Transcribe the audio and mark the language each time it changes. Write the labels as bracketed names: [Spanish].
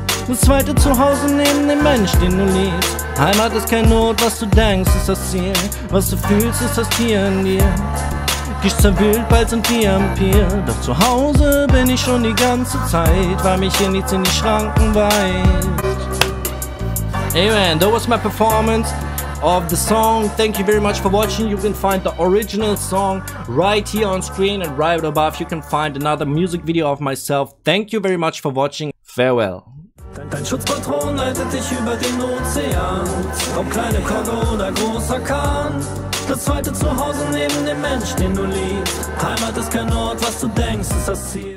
[German] Das zweite Zuhause neben dem Mensch, den du liebst. Heimat ist kein Not, was du denkst, ist das Ziel. Was du fühlst, ist das Tier in dir. Ich zerwühlt, bald sind wir am Pier. Doch zu Hause bin ich schon die ganze Zeit, weil mich hier nichts in die Schranken weist. [English] Hey man, that was my performance of the song. Thank you very much for watching. You can find the original song right here on screen and right above. You can find another music video of myself. Thank you very much for watching. Farewell. [German] Dein Schutzpatron leitet dich über den Ozean, ob kleine Kogge oder großer Kahn. Das zweite Zuhause neben dem Mensch, den du liebst. Heimat ist kein Ort, was du denkst, ist das Ziel.